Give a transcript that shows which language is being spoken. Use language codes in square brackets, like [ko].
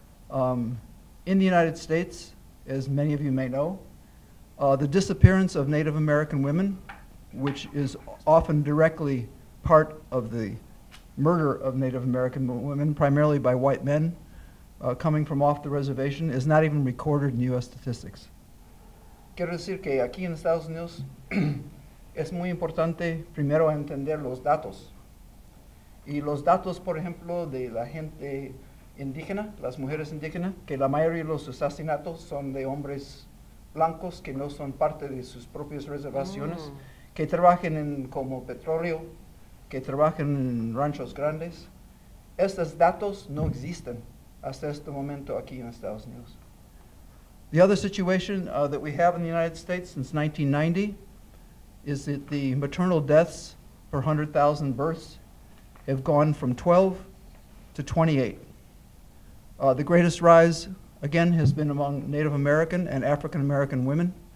[en] In the United States, as many of you may know, the disappearance of Native American women, which is often directly part of the murder of Native American women, primarily by white men coming from off the reservation, is not even recorded in U.S. statistics. [es] Quiero decir que aquí en Estados Unidos es muy importante primero entender los datos. Y los datos, por ejemplo, de la gente indígena, las mujeres indígenas, que la mayoría de los asesinatos son de hombres blancos que no son parte de sus propias reservaciones. Mm. Que trabajen en como petróleo, que trabajen en ranchos grandes. Estos datos no existen hasta este momento aquí en Estados Unidos. [en] The other situation that we have in the United States since 1990 is that the maternal deaths per 100,000 births have gone from 12 to 28. The greatest rise, again, has been among Native American and African American women.